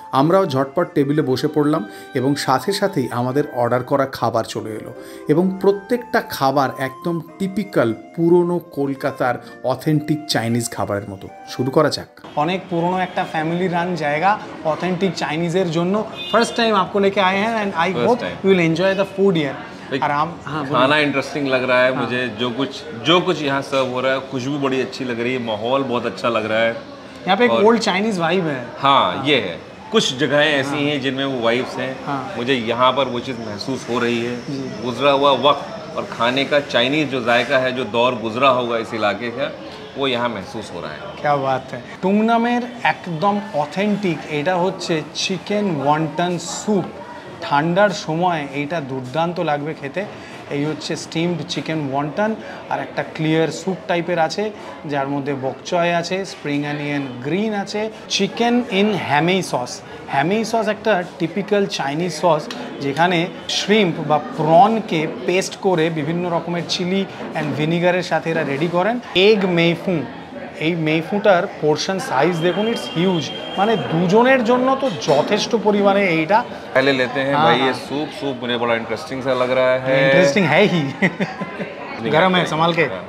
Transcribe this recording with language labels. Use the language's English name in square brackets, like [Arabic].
[Bangla] আমরাও ঝটপট টেবিলে বসে পড়লাম এবং সাথে সাথেই আমাদের অর্ডার করা খাবার চলে এলো, এবং প্রত্যেকটা খাবার একদম টিপিক্যাল পুরনো কলকাতার অথেন্টিক চাইনিজ খাবারের মতো। শুরু করা যাক। অনেক পুরনো একটা ফ্যামিলি রান জায়গা অথেন্টিক চাইনিজের জন্য। [English] first time [Hindi] আপকো লেকে আয়ে হ্যায় [English] And I hope you will enjoy the food here. [Hindi] खाना इंटरेस्टिंग लग रहा है मुझे, जो कुछ यहाँ सर्व हो रहा है, खुशबू बड़ी अच्छी लग रही है, माहौल बहुत अच्छा लग रहा है यहाँ पे, एक ओल्ड चाइनीज वाइब है। हाँ ये है, कुछ जगहें ऐसी हैं जिनमें वो वाइब्स हैं, मुझे यहाँ पर वो चीज़ महसूस हो रही है। गुजरा हुआ वक्त और खाने का चाइनीज जो जायका है, जो दौर गुजरा होगा इस इलाके का, वो यहाँ महसूस हो रहा है। क्या बात है। [Bangla] टुंगनामेर एकदम ऑथेंटिक एटा होच्छे चिकेन वनटन सूप। ঠান্ডার সময় এইটা দুর্দান্ত লাগবে খেতে। এই হচ্ছে স্টিমড চিকেন ওয়ান্টন, আর একটা ক্লিয়ার স্যুপ টাইপের আছে যার মধ্যে বকচয় আছে, স্প্রিং অনিয়ন গ্রিন আছে, চিকেন ইন হ্যামি সস। হ্যামি সস একটা টিপিক্যাল চাইনিজ সস যেখানে শ্রিম্প বা প্রনকে পেস্ট করে বিভিন্ন রকমের চিলি অ্যান্ড ভিনিগারের সাথে এরা রেডি করেন। এগ মেইফু, এই মেইফুটার পোর্শন সাইজ দেখুন, [English] it's huge, [Bangla] মানে দুজনের জন্য তো যথেষ্ট পরিমাণে এইটা। [Hindi] पहले लेते हैं भाई ये सूप। सूप मुझे बड़ा इंटरेस्टिंग सा लग रहा है। इंटरेस्टिंग है ही, गरम है, संभाल के।